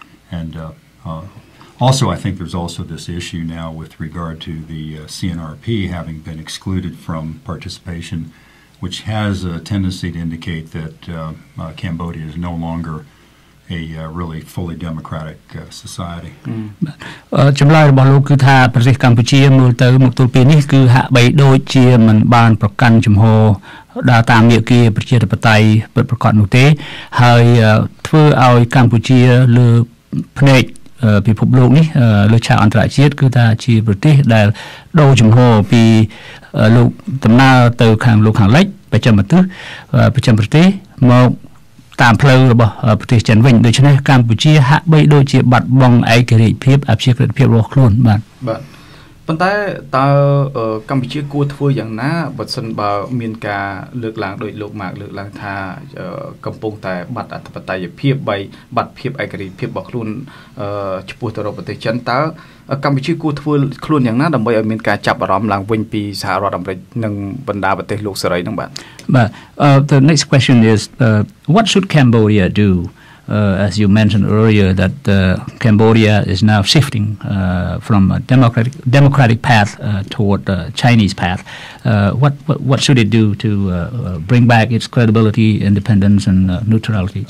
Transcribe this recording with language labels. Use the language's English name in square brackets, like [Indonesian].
[English] And also, I think there's also this issue now with regard to the CNRP having been excluded from participation, which has a tendency to indicate that Cambodia is no longera really fully democratic society. [Khmer] ចម្លើយរបស់លោកគឺថាប្រទេសកម្ពុជាមើលទៅមកទល់ពេលនេះគឺហាក់បីដូចជាមិនបានប្រកាន់ជំហរដើរតាមមាគ៌ាប្រជាធិបតេយ្យពិតប្រាកដនោះទេហើយធ្វើឲ្យកម្ពុជាលើផ្នែកពិភពលោកនេះលើឆាកអន្តរជាតិគឺថាជាប្រទេសដែលដូរជំហរពី លោកដំណើរទៅខាងលោកខាងលិចប្រចាំទិសប្រចាំប្រទេសមកតាមផ្លូវរបស់ប្រទេសចិនវិញដូច្នេះកម្ពុជាហាក់បីដូចជាបាត់បង់ឯករាជ្យភាពអព្យាក្រឹតភាពរបស់ខ្លួនបាទ បាទប៉ុន្តែតើកម្ពុជាគួរធ្វើយ៉ាងណាបើសិនបើមានការលើកឡើងដោយលោកម៉ាកលើកឡើងថាកំពុងតែបាត់អធិបតេយ្យភាពបីបាត់ភាពឯករាជ្យភាពរបស់ខ្លួនចំពោះទៅរកប្រទេសចិនតើកម្ពុជាគួរធ្វើខ្លួនយ៉ាងណាដើម្បីឲ្យមានការចាប់អារម្មណ៍ឡើងវិញពីសហរដ្ឋអាមេរិកនិងបណ្ដាប្រទេសលោកសេរីហ្នឹងបាទ [English] But the next question is, what should Cambodia do? As you mentioned earlier, that Cambodia is now shifting from a democratic path toward a Chinese path. What should it do to bring back its credibility, independence, and neutrality?